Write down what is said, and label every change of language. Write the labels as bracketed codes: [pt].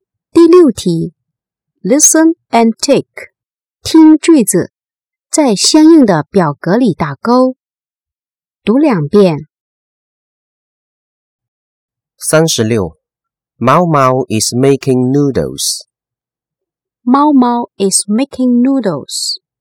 [zh] 第6题 [en] Listen and tick. [zh] 听句子，在相应的表格里打勾。读两遍。 [en] 36 Mao Mao is making noodles. Mao Mao is making noodles.